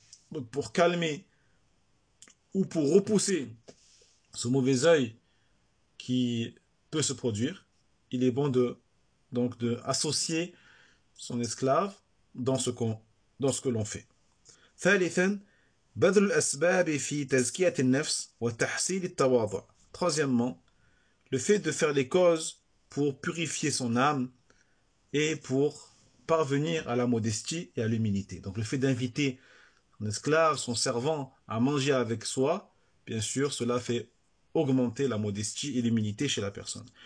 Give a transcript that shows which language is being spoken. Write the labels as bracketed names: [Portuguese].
[French] Donc pour calmer ou pour repousser ce mauvais œil qui peut se produire, il est bon de associer son esclave dans ce que l'on fait. ثالثا [Arabic] بذل الأسباب في تزكية النفس وتحصيل التواضع. [French] Troisièmement, le fait de faire les causes pour purifier son âme et pour parvenir à la modestie et à l'humilité. Donc le fait d'inviter son esclave, son servant à manger avec soi, bien sûr, cela fait augmenter la modestie et l'humilité chez la personne.